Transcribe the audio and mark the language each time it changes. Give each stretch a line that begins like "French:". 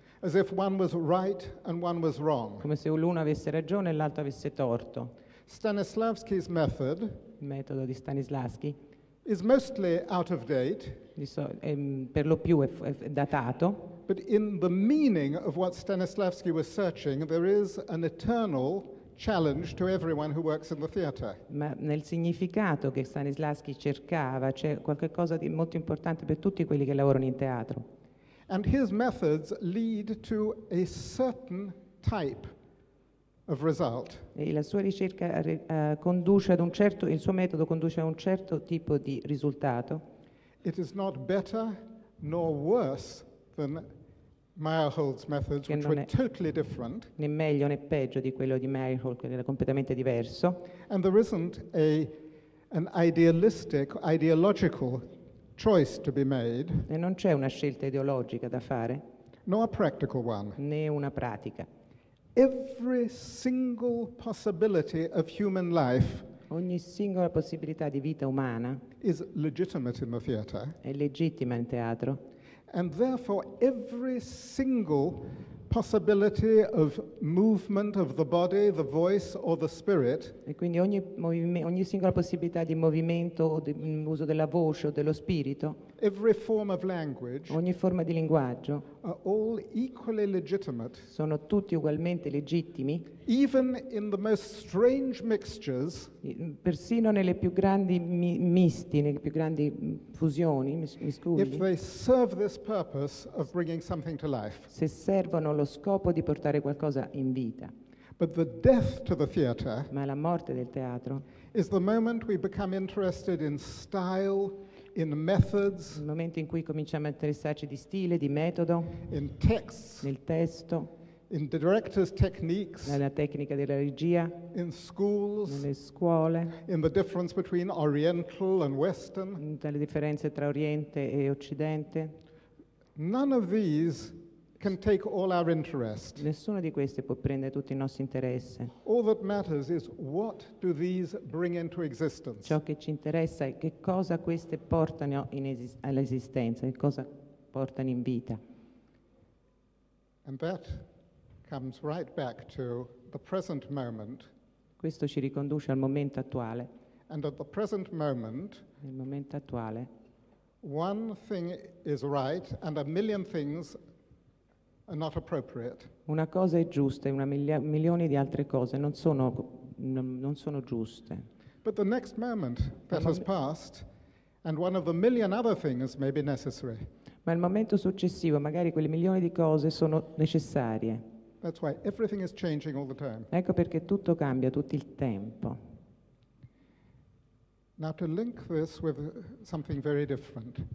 English: as if one was right and one was wrong,
Italian: come se l'uno avesse ragione e l'altro avesse torto.
English: Stanislavski's method,
Italian: il metodo di Stanislavski,
English: is mostly out of date,
Italian: per lo più è datato.
English: But in the meaning of what Stanislavski was searching, there is an eternal challenge to everyone who works in the theater.
Italian: Ma nel significato che Stanislavski cercava c'è qualcosa di molto importante per tutti quelli che lavorano in teatro.
English: And his methods lead to a certain type of result.
Italian: E la sua ricerca conduce ad un certo, il suo metodo conduce a un certo tipo di risultato.
English: It is not better nor worse than Meyerhold's methods,
Italian: che
English: which were totally different,
Italian: né meglio né peggio di quello di Meyerhold, che era completamente diverso.
English: And there isn't an idealistic, ideological choice to be made,
Italian: e non c'è una scelta ideologica da fare,
English: nor a practical one,
Italian: né una pratica.
English: Every single possibility of human life,
Italian: ogni singola possibilità di vita umana,
English: is legitimate in the theater,
Italian: è legittima in teatro.
English: And therefore every single possibility of movement of the body, the voice or the spirit,
Italian: e quindi ogni singola possibilità di movimento o di uso della voce o dello spirito,
English: every form of language,
Italian: ogni forma di linguaggio,
English: are all equally legitimate,
Italian: sono tutti ugualmente legittimi,
English: even in the most strange mixtures,
Italian: persino nelle più grandi misti, nelle più grandi fusioni, miscugli,
English: if they serve this purpose of bringing something to life,
Italian: se servono lo scopo di portare qualcosa in vita.
English: But the death to the theater,
Italian: ma la morte del teatro,
English: is the moment we become interested in style, in methods,
Italian: il momento in cui cominciamo a interessarci di stile, di metodo,
English: in texts,
Italian: nel testo,
English: in the director's techniques,
Italian: nella tecnica della regia,
English: in schools,
Italian: nelle scuole,
English: in the difference between oriental and western,
Italian: nelle differenze tra oriente e occidente.
English: None of these can take all our interest.
Italian: Nessuna di queste può prendere tutti i nostri interessi.
English: All that matters is what do these bring into existence.
Italian: Ciò che ci interessa è che cosa queste portano all'esistenza, che cosa portano in vita.
English: And that comes right back to the present moment.
Italian: Questo ci riconduce al momento attuale.
English: And at the present moment,
Italian: il momento attuale,
English: one thing is right and a million things are not appropriate.
Italian: Una cosa è giusta e milioni di altre cose non sono giuste.
English: But the next moment that has passed and one of the million other things may be necessary.
Italian: Ma il momento successivo, magari quelle milioni di cose sono necessarie.
English: That's why everything is changing all the time.
Italian: Ecco perché tutto cambia tutto il tempo.
English: Now to link this with something very different.